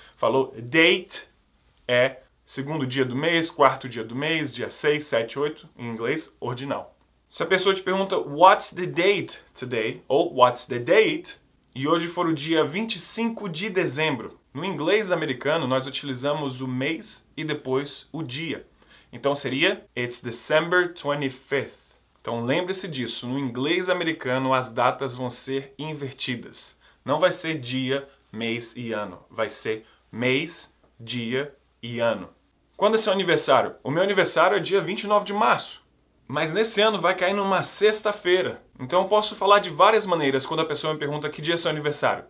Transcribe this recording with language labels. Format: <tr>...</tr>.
<pt>Falou date é segundo dia do mês, quarto dia do mês, dia 6, 7, 8, em inglês, ordinal. Se a pessoa te pergunta</pt> <en>what's the date today? Ou what's the date?</en> <pt>E hoje for o dia 25 de dezembro. No inglês americano, nós utilizamos o mês e depois o dia. Então seria,</pt> <en>it's December 25th.</en> <pt>Então lembre-se disso, no inglês americano as datas vão ser invertidas. Não vai ser dia, mês e ano. Vai ser mês, dia e ano. Quando é seu aniversário? O meu aniversário é dia 29 de março. Mas nesse ano vai cair numa sexta-feira. Então eu posso falar de várias maneiras quando a pessoa me pergunta que dia é seu aniversário.</pt>